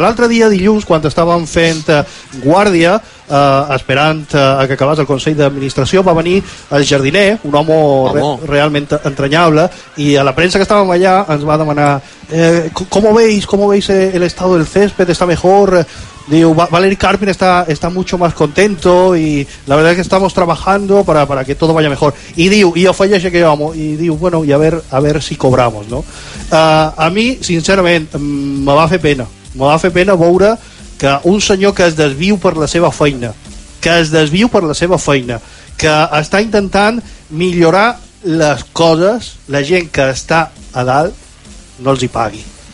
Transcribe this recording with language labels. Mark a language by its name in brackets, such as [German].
[Catalan] L'altre dia, dilluns, quan estàvem fent guàrdia, esperant que acabés el Consell d'Administració, va venir el jardiner, un home realment entranyable, i a la premsa que estàvem allà ens va demanar [Spanish] ¿Cómo veis el estado del césped? ¿Está mejor? Diu, Valeri Karpin está mucho más contento, y la verdad es que estamos trabajando para que todo vaya mejor. Y diu, y ofella ese que llevamos, y diu, bueno, y a ver si cobramos, ¿no? A mí, sinceramente, me va a hacer pena [Catalan] veure que un senyor que es desviu per la seva feina, que està intentant millorar les coses, la gent que està a dalt no els hi pagui.